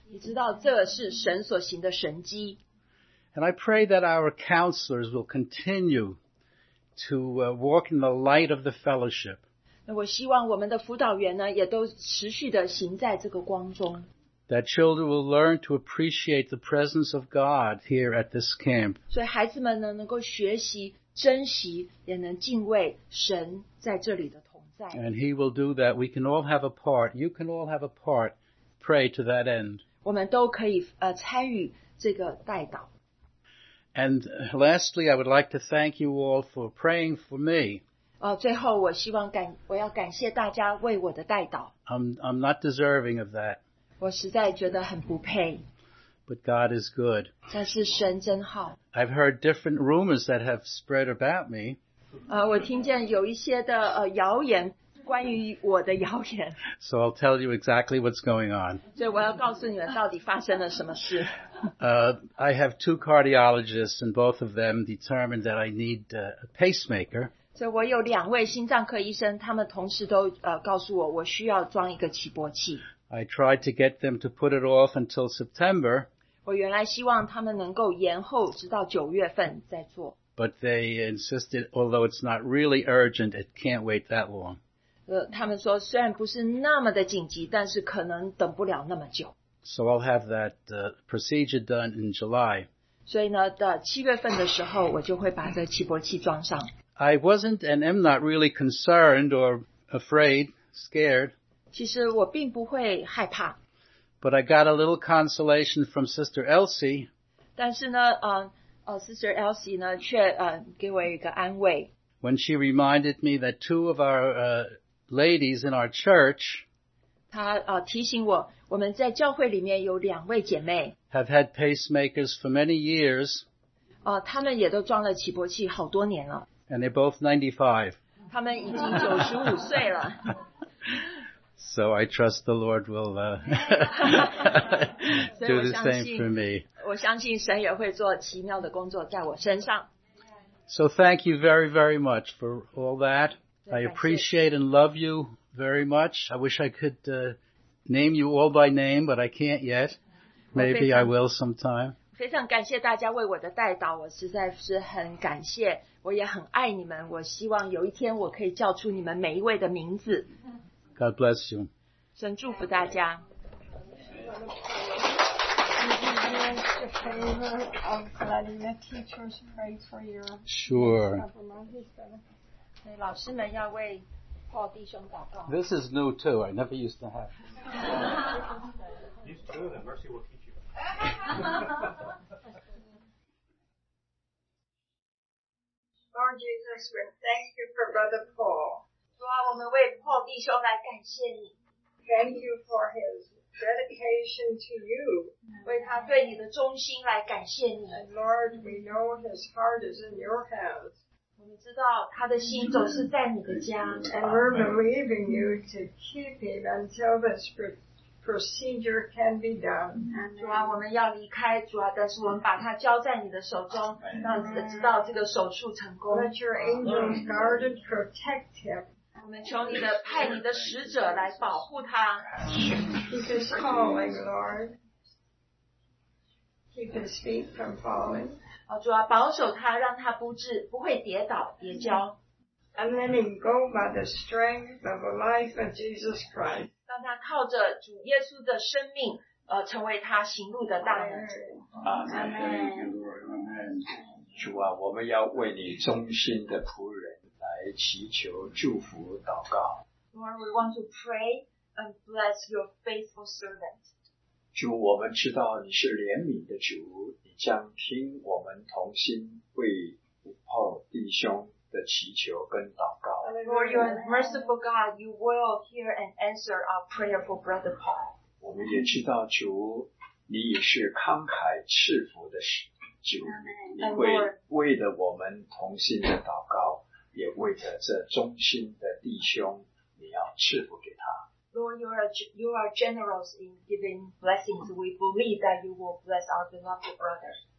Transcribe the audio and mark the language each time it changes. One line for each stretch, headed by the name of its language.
Chinese: 你知道这是神所行的神迹。
English: And I pray that our counselors will continue to walk in the light of the fellowship.
Chinese: 那我希望我们的辅导员呢，也都持续的行在这个光中。
English: That children will learn to appreciate the presence of God here at this camp.
Chinese: 所以孩子们呢，能够学习珍惜，也能敬畏神在这里的同在。
English: And He will do that. We can all have a part. You can all have a part. Pray to that end.
Chinese: 我们都可以参与这个代祷。
English: And lastly, I would like to thank you all for praying for me.
Chinese: 最后我希望我要感谢大家为我的代祷。
English: I'm not deserving of that.
Chinese: 我实在觉得很不配。
English: But God is good.
Chinese: 但是神真好。
English: I've heard different rumors that have spread about me.
Chinese: 我听见有一些的谣言，关于我的谣言。
English: So I'll tell you exactly what's going on.
Chinese: 所以我要告诉你们到底发生了什么事。
English: I have two cardiologists and both of them determined that I need a pacemaker.
Chinese: 所以我有两位心脏科医生，他们同时都告诉我，我需要装一个起搏器。
English: I tried to get them to put it off until September.
Chinese: 我原来希望他们能够延后直到九月份再做。
English: But they insisted, although it's not really urgent, it can't wait that long.
Chinese: 他们说虽然不是那么的紧急，但是可能等不了那么久。
English: So I'll have that procedure done in July.
Chinese: 所以呢，到七月份的时候，我就会把这起搏器装上。
English: I wasn't and am not really concerned or afraid, scared.
Chinese: 其实我并不会害怕。
English: But I got a little consolation from Sister Elsie.
Chinese: 但是呢Sister Elsie 呢却给我一个安慰。
English: When she reminded me that two of our ladies in our church
Chinese: 她提醒我我们在教会里面有两位姐妹
English: have had pacemakers for many years.
Chinese: 她们也都装了起搏器好多年了。
English: And they're both 95.
Chinese: 她们已经95岁了。
English: So I trust the Lord will do the same for me.
Chinese: 我相信神也会做奇妙的工作在我身上。
English: So thank you very, very much for all that. I appreciate and love you very much. I wish I could name you all by name, but I can't yet. Maybe I will sometime.
Chinese: 非常感谢大家为我的代祷，我实在是很感谢，我也很爱你们，我希望有一天我可以叫出你们每一位的名字。
English: God bless you.
Chinese: 神祝福大家。
English: Sure.
Chinese: 老师们要为 Paul 弟兄祷告。
English: This is new too. I never used to have. These two of them, Mercy will teach you. Lord Jesus, we thank you for Brother Paul. Thank you for his dedication to you. And Lord, we know his heart is in your hands. And we're believing you to keep him until this procedure can be done.
Chinese: 主啊，我们要离开，主啊，但是我们把它交在你的手中，让直到这个手术成功。
English: Let your angels guard and protect him.
Chinese: 我们求你的派你的使者来保护他。
English: Keep his calling, Lord. Keep his feet from falling.
Chinese: 主啊，保守他，让他不会跌倒跌跤。
English: And let him go by the strength of the life of Jesus Christ.
Chinese: 让他靠着主耶稣的生命，成为他行路的大能。
English: Amen.
Chinese: 主啊，我们要为你忠心的仆人。祈求祝福祷告。
English: Lord, we want to pray and bless your faithful servant.
Chinese: 主，我们知道你是怜悯的主，你将听我们同心为Paul弟兄的祈求跟祷告。
English: Lord, you are a merciful God. You will hear and answer our prayer for Brother Paul.
Chinese: 我们也知道主，你也是慷慨赐福的主，你会为了我们同心的祷告。也为着这忠心的弟兄，你要赐福给他。
English: Lord, you are generous in giving blessings. We believe that you will bless our beloved brother.